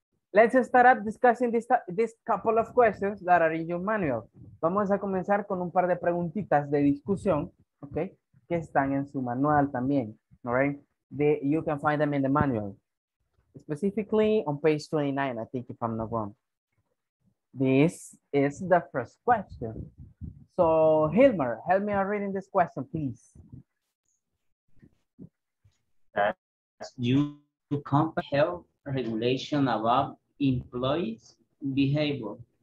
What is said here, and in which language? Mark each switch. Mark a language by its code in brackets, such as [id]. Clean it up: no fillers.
[en] Let's start up discussing this couple of questions that are in your manual. [es] Vamos a comenzar con un par de preguntitas de discusión, okay, que están en su manual también, [en] all right? You can find them in the manual, specifically on page 29, I think, if I'm not wrong. This is the first question. So, Hilmer, help me on reading this question, please. Does your company have regulation about employees' behavior?